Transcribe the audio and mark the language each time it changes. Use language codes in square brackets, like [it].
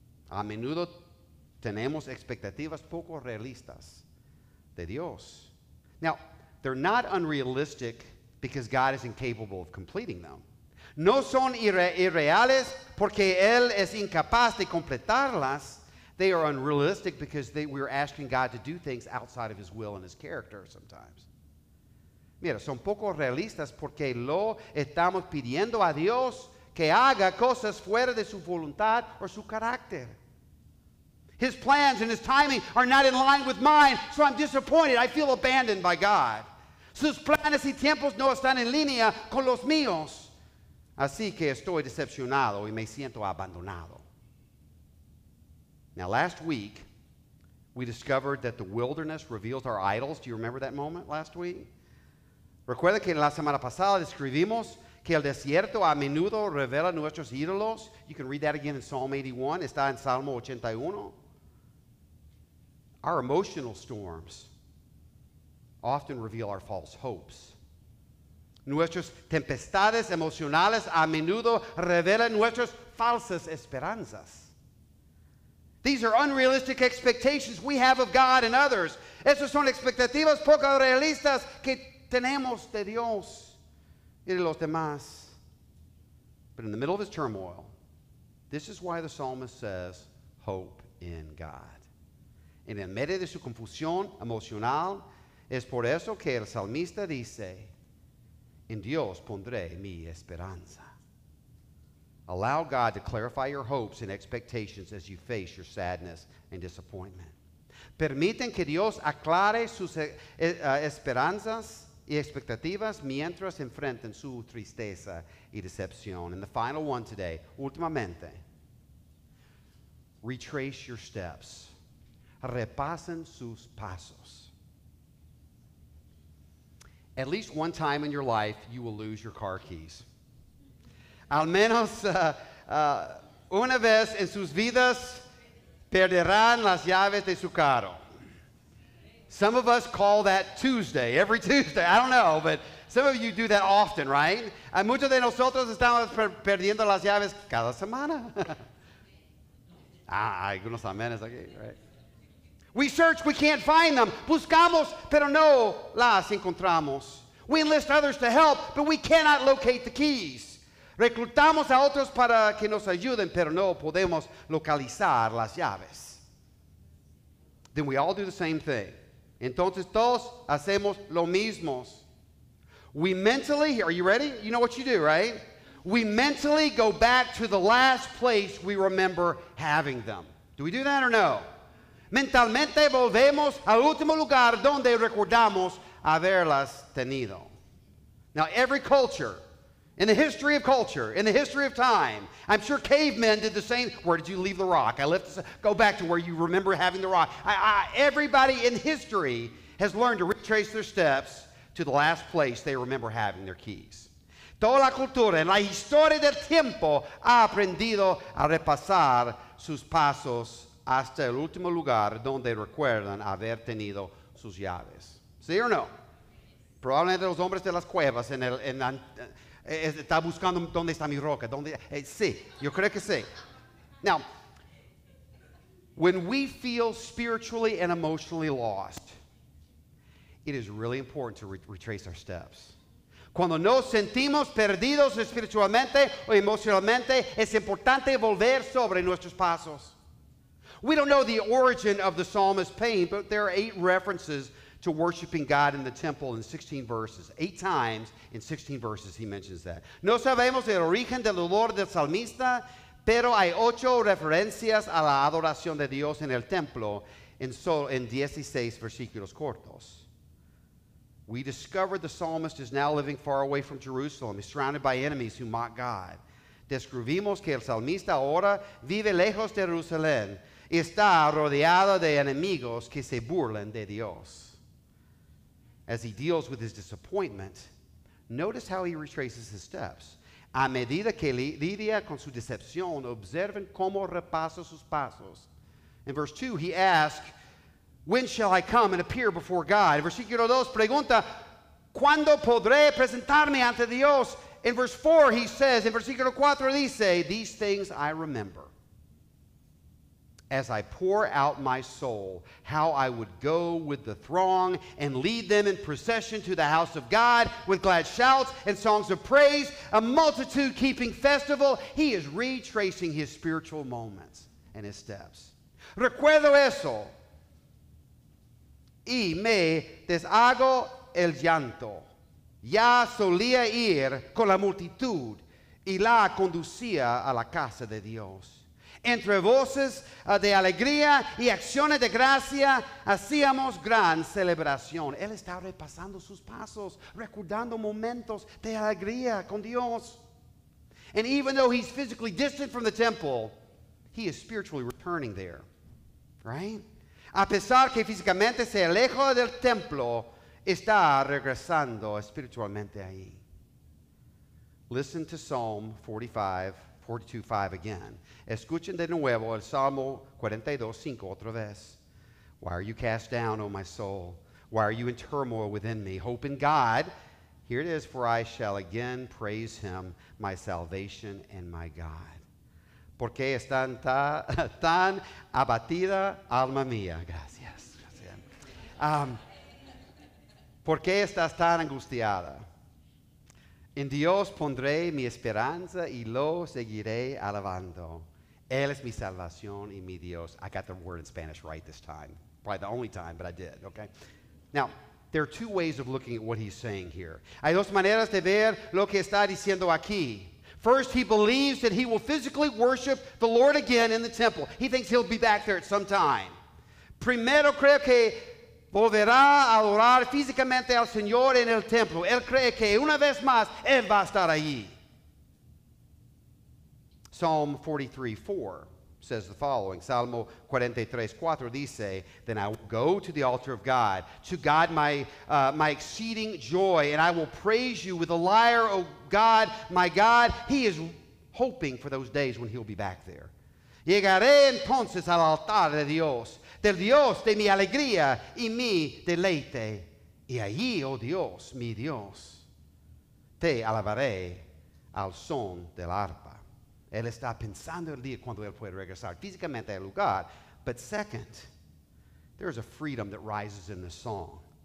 [es] A menudo tenemos expectativas poco realistas de Dios. [en] Now, they're not unrealistic because God is incapable of completing them. [es] No son irreales porque Él es incapaz de completarlas. [en] They are unrealistic because we're asking God to do things outside of His will and His character sometimes. [es] Mira, son poco realistas porque lo estamos pidiendo a Dios que haga cosas fuera de su voluntad o su carácter. [en] His plans and His timing are not in line with mine, so I'm disappointed. I feel abandoned by God. [es] Sus planes y tiempos no están en línea con los míos. Así que estoy decepcionado y me siento abandonado. [en] Now, last week, we discovered that the wilderness reveals our idols. Do you remember that moment last week? [es] Recuerda que la semana pasada describimos que el desierto a menudo revela nuestros ídolos. [en] You can read that again in Psalm 81. [es] Está en Salmo 81. [en] Our emotional storms often reveal our false hopes. [es] Nuestras tempestades emocionales a menudo revelan nuestras falsas esperanzas. [en] These are unrealistic expectations we have of God and others. [es] Esas son expectativas poco realistas que tenemos de Dios y de los demás. [en] But in the middle of his turmoil, this is why the psalmist says, hope in God. [es] En el medio de su confusión emocional, es por eso que el salmista dice, en Dios pondré mi esperanza. [en] Allow God to clarify your hopes and expectations as you face your sadness and disappointment. [es] Permiten que Dios aclare sus esperanzas y expectativas mientras enfrentan su tristeza y decepción. [en] And the final one today, últimamente, retrace your steps. [es] Repasen sus pasos. [en] At least one time in your life, you will lose your car keys. [es] Al menos una vez en sus vidas, perderán las llaves de su carro. [en] Some of us call that Tuesday, every Tuesday. I don't know, but some of you do that often, right? [es] Muchos de nosotros estamos perdiendo las llaves cada semana. Hay algunos amenes aquí, [en] right? We search, we can't find them. [es] Buscamos, pero no las encontramos. [en] We enlist others to help, but we cannot locate the keys. [es] Reclutamos a otros para que nos ayuden, pero no podemos localizar las llaves. [en] Then we all do the same thing. [es] Entonces todos hacemos lo mismo. [en] We mentally, are you ready? You know what you do, right? We mentally go back to the last place we remember having them. Do we do that or no? [es] Mentalmente volvemos al último lugar donde recordamos haberlas tenido. [en] Now, every culture, in the history of culture, in the history of time, I'm sure cavemen did the same. Where did you leave the rock? I left. Go back to where you remember having the rock. Everybody in history has learned to retrace their steps to the last place they remember having their keys. [es] Toda la cultura en la historia del tiempo ha aprendido a repasar sus pasos hasta el último lugar donde recuerdan haber tenido sus llaves. ¿Sí o no? Probablemente los hombres de las cuevas está buscando dónde está mi roca. Sí, yo creo que sí. [en] Now, when we feel spiritually and emotionally lost, it is really important to retrace our steps. [es] Cuando nos sentimos perdidos espiritualmente o emocionalmente, es importante volver sobre nuestros pasos. [en] We don't know the origin of the psalmist's pain, but there are 8 references to worshiping God in the temple in 16 verses. 8 times in 16 verses he mentions that. [es] No sabemos el origen del dolor del salmista, pero hay 8 referencias a la adoración de Dios en el templo en 16 versículos cortos. [en] We discover the psalmist is now living far away from Jerusalem. He's surrounded by enemies who mock God. [es] Descubrimos que el salmista ahora vive lejos de Jerusalén y está rodeado de enemigos que se burlan de Dios. [en] As he deals with his disappointment, notice how he retraces his steps. [es] A medida que lidia con su decepción, observen cómo repasa sus pasos. [en] In verse 2, he asks, when shall I come and appear before God? [es] In versículo 2, pregunta, ¿cuándo podré presentarme ante Dios? [en] In verse 4, he says, [es] in versículo 4, dice, [en] these things I remember. As I pour out my soul, how I would go with the throng and lead them in procession to the house of God with glad shouts and songs of praise, a multitude-keeping festival. He is retracing his spiritual moments and his steps. [es] Recuerdo eso. Y me deshago el llanto. Ya solía ir con la multitud y la conducía a la casa de Dios. Entre voces de alegría y acciones de gracia, hacíamos gran celebración. Él está repasando sus pasos, recordando momentos de alegría con Dios. [en] And even though he's physically distant from the temple, he is spiritually returning there. Right? [es] A pesar que físicamente se aleja del templo, está regresando espiritualmente ahí. [en] Listen to Psalm 42:5 again. [es] Escuchen de nuevo el Salmo 42:5 otra vez. [en] Why are you cast down, O my soul? Why are you in turmoil within me? Hope in God. Here it is, for I shall again praise him, my salvation and my God. [es] ¿Por qué están tan abatida, alma mía? Gracias. ¿Por qué estás tan angustiada? En Dios pondré mi esperanza y lo seguiré alabando. Él es mi salvación y mi Dios. [en] I got the word in Spanish right this time. Probably the only time, but I did, okay? Now, there are 2 ways of looking at what he's saying here. [es] Hay dos maneras de ver lo que está diciendo aquí. [en] First, he believes that he will physically worship the Lord again in the temple. He thinks he'll be back there at some time. [es] Primero creo que volverá a adorar físicamente al Señor en el templo. Él cree que una vez más, él va a estar allí. [en] Psalm 43:4 says the following. [es] Salmo 43:4 dice, [en] then I will go to the altar of God, to God my exceeding joy, and I will praise you with a lyre, O God, my God. He is hoping for those days when he'll be back there. [es] Llegaré entonces al altar de Dios, del Dios de mi alegría y mi deleite. Y allí, oh Dios, mi Dios, te alabaré al son del arpa. Él está pensando el día cuando él puede regresar físicamente al lugar. [en] But second, there is a freedom that rises in the song.